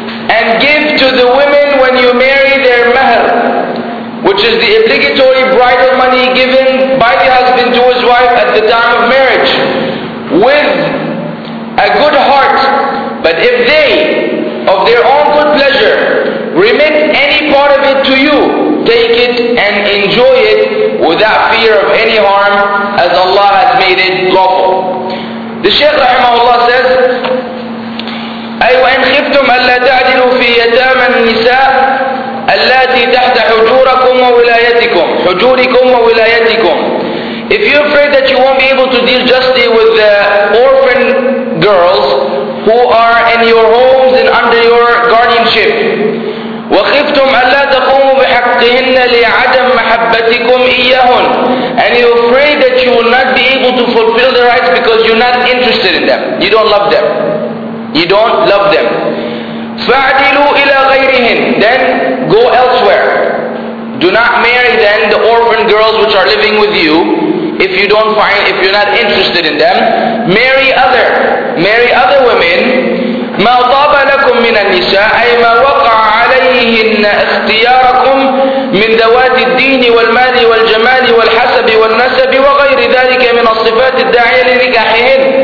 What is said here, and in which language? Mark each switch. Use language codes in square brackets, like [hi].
[en] And give to the women when you marry their mahr, which is the obligatory bridal money given by the husband to his wife at the time of marriage, with a good heart. But if they, of their own good pleasure, remit any part of it to you, take it and enjoy it without fear of any harm, as Allah has made it lawful. The Shaykh rahimahullah says, [ar] أي وإن خفتم ألا تعدلوا في يتامى النساء التي تحت حجوركم وولايتكم حجوركم وولايتكم. [en] If you're afraid that you won't be able to deal justly with the orphan girls who are in your homes and under your guardianship, [ar] وخفتم ألا تقوموا بحقهن لعدم محبتكم إياهن, [en] and you're afraid that you will not be able to fulfill the rights because you're not interested in them, you don't love them, you don't love them. [ar] فاعدلوا إلى غيرهن, [en] then go elsewhere. Do not marry then the orphan girls which are living with you. If you don't find, if you're not interested in them, marry other women. [ar] ما طاب لكم من النساء أي ما وقع عليهن اختياركم من ذوات الدين والمال والجمال والحسب والنسب وغير ذلك من الصفات الداعية لنكاحهن.